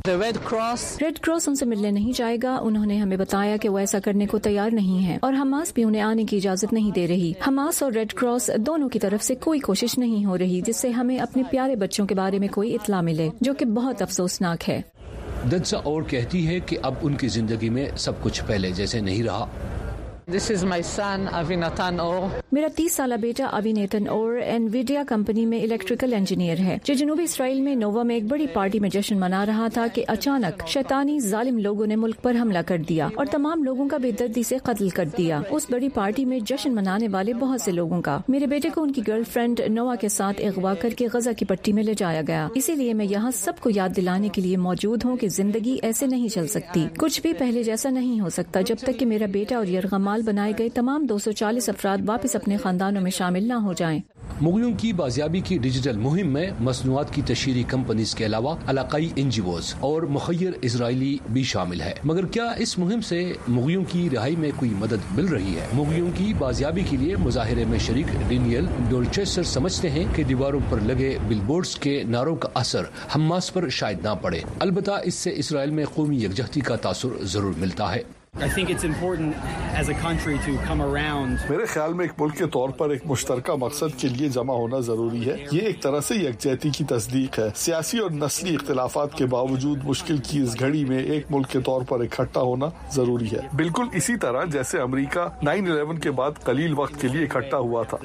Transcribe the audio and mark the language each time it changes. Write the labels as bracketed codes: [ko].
[ur] Red cross ان سے ملنے نہیں جائے گا, انہوں نے ہمیں بتایا کہ وہ ایسا کرنے کو تیار نہیں ہے, اور حماس بھی انہیں آنے کی اجازت نہیں دے رہی. حماس اور ریڈ کراس دونوں کی طرف سے کوئی کوشش نہیں ہو رہی جس سے ہمیں اپنے پیارے بچوں کے بارے میں کوئی اطلاع ملے, جو کہ بہت افسوسناک ہے. دنسا اور کہتی ہے کہ اب ان کی زندگی میں سب کچھ پہلے جیسے نہیں رہا. [en] This is my son, Avinathan Or. [ur] میرا 30 سالہ بیٹا Avinathan Or انویڈیا کمپنی میں الیکٹریکل انجینئر ہے, جو جنوبی اسرائیل میں نووا میں ایک بڑی پارٹی میں جشن منا رہا تھا کہ اچانک شیطانی ظالم لوگوں نے ملک پر حملہ کر دیا اور تمام لوگوں کا بے دردی سے قتل کر دیا. اس بڑی پارٹی میں جشن منانے والے بہت سے لوگوں کا, میرے بیٹے کو ان کی گرل فرینڈ نووا کے ساتھ اغوا کر کے غزہ کی پٹی میں لے جایا گیا. اسی لیے میں یہاں سب کو یاد دلانے کے لیے موجود ہوں کہ زندگی ایسے نہیں چل سکتی, کچھ بھی پہلے جیسا نہیں ہو سکتا جب تک کہ میرا بیٹا اور یرغمال بنائے گئے تمام 240 افراد واپس اپنے خاندانوں میں شامل نہ ہو جائیں. مغیوں کی بازیابی کی ڈیجیٹل مہم میں مصنوعات کی تشہیری کمپنیز کے علاوہ علاقائی این جی اوز اور مخیر اسرائیلی بھی شامل ہے. مگر کیا اس مہم سے مغیوں کی رہائی میں کوئی مدد مل رہی ہے؟ مغیوں کی بازیابی کے لیے مظاہرے میں شریک ڈینیل ڈولچیسر سمجھتے ہیں کہ دیواروں پر لگے بل بورڈز کے نعروں کا اثر حماس پر شاید نہ پڑے, البتہ اس سے اسرائیل میں قومی یکجہتی کا تاثر ضرور ملتا ہے. [en] I think it's important as a country to come around. [ur] میرے خیال میں ایک ملک کے طور پر ایک مشترکہ مقصد کے لیے جمع ہونا ضروری ہے. یہ ایک طرح سے یکجہتی کی تصدیق ہے. سیاسی اور نسلی اختلافات کے باوجود مشکل کی اس گھڑی میں ایک ملک کے طور پر اکٹھا ہونا ضروری ہے, بالکل اسی طرح جیسے امریکہ 9/11 کے بعد قلیل وقت کے لیے اکٹھا ہوا تھا.